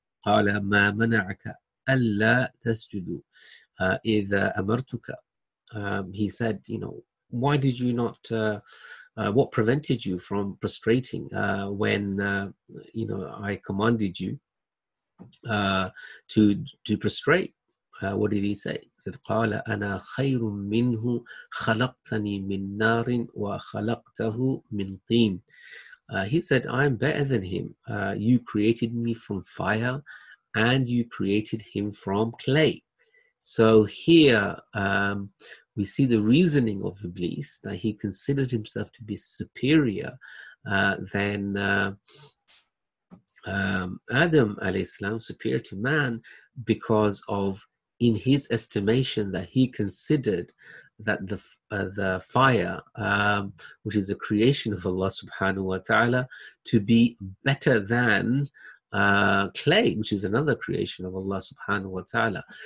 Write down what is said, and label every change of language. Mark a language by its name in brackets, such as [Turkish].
[Arabic] قَالَ مَا مَنَعَكَ أَلَّا تَسْجُدُ إِذَا أَمَرْتُكَ. [English] He said, you know, why did you not, what prevented you from prostrating when you know, I commanded you to prostrate? What did he say? He said, [Arabic] قَالَ أَنَا خَيْرٌ مِّنْهُ خَلَقْتَنِي مِن نَارٍ وَخَلَقْتَهُ مِن طِينٍ. [English] He said, I am better than him. You created me from fire and you created him from clay. So here we see the reasoning of Iblis, that he considered himself to be superior than Adam alayhi salam, superior to man, because of, in his estimation, that he considered that the fire, which is a creation of Allah subhanahu wa ta'ala, to be better than clay, which is another creation of Allah subhanahu wa ta'ala.